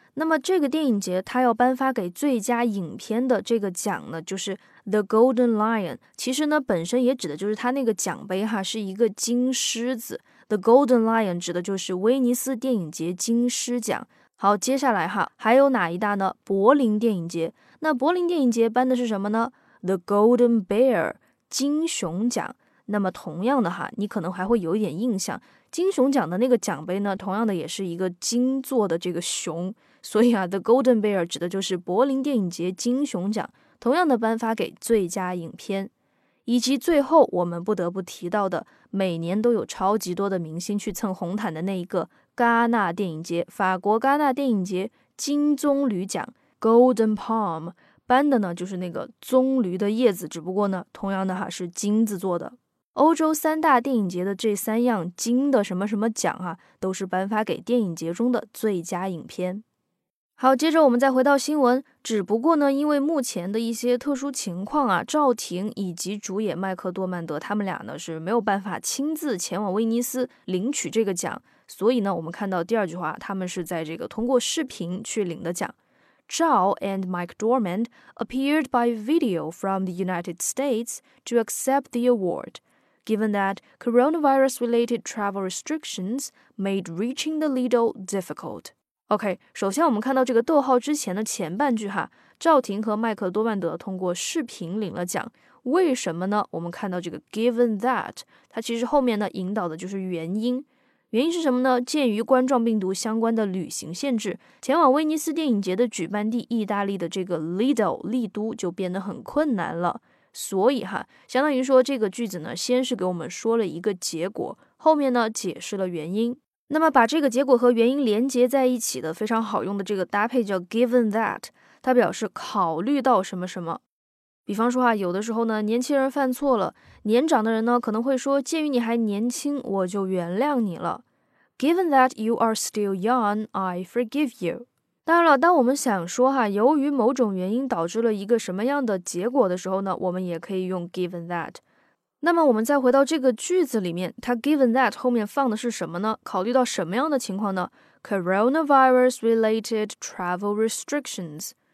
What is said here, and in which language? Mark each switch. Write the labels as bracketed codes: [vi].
[zh] 那么这个电影节它要颁发给最佳影片的这个奖呢，就是 The Golden Lion， 其实呢本身也指的就是它那个奖杯哈，是一个金狮子。 The Golden Lion 指的就是威尼斯电影节金狮奖。好，接下来哈还有哪一大呢？柏林电影节。那柏林电影节颁的是什么呢？ The Golden Bear 金熊奖。那么同样的哈，你可能还会有一点印象，金熊奖的那个奖杯呢，同样的也是一个金做的这个熊，所以啊 The Golden Bear 指的就是柏林电影节金熊奖，同样的颁发给最佳影片。以及最后我们不得不提到的，每年都有超级多的明星去蹭红毯的那一个戛纳电影节，法国戛纳电影节金棕榈奖 Golden Palm， 颁的呢就是那个棕榈的叶子，只不过呢同样的哈是金子做的。欧洲三大电影节的这三样金的什么什么奖啊，都是颁发给电影节中的最佳影片。好，接着我们再回到新闻，只不过呢因为目前的一些特殊情况啊，赵婷以及主演麦克多曼德他们俩呢是没有办法亲自前往威尼斯领取这个奖，所以呢我们看到第二句话，他们是在这个通过视频去领的奖。 [en] Zhao and Mike Dormand appeared by video from the United States to accept the award. Given that coronavirus-related travel restrictions made reaching the Lido difficult. [zh] OK, 首先我们看到这个逗号之前的前半句哈，赵婷和麦克多曼德通过视频领了奖，为什么呢？我们看到这个 given that， 它其实后面呢引导的就是原因。原因是什么呢？鉴于冠状病毒相关的旅行限制，前往威尼斯电影节的举办地意大利的这个 Lido 利都就变得很困难了。所以哈，相当于说这个句子呢，先是给我们说了一个结果，后面呢解释了原因。那么把这个结果和原因连接在一起的非常好用的这个搭配叫 given that， 它表示考虑到什么什么。比方说哈，有的时候呢年轻人犯错了，年长的人呢可能会说，鉴于你还年轻，我就原谅你了。 [en] Given that you are still young, I forgive you。 [zh] 当然了，当我们想说哈，由于某种原因导致了一个什么样的结果的时候呢，我们也可以用 given that。那么我们再回到这个句子里面，它 given that 后面放的是什么呢？考虑到什么样的情况呢？ [en] coronavirus related travel restrictions。